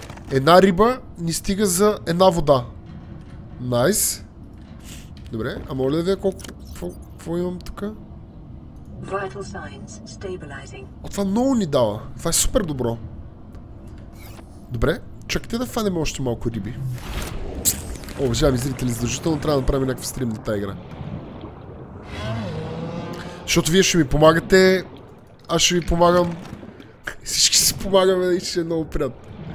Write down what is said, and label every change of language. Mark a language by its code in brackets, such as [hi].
[bg] Една риба ни стига за една вода. Найс. Добре, а моля да видя какво имам тук? [en] Vital signs stabilizing. [bg] О, това много ни дава. Това е супер добро. Добре, чакайте да фанем още малко риби. Уважаеми зрители, задължително трябва да направим някакъв стрим на тази игра. Защото вие ще ми помагате, аз ще ви помагам. Всички си помагаме и ще е много приятно.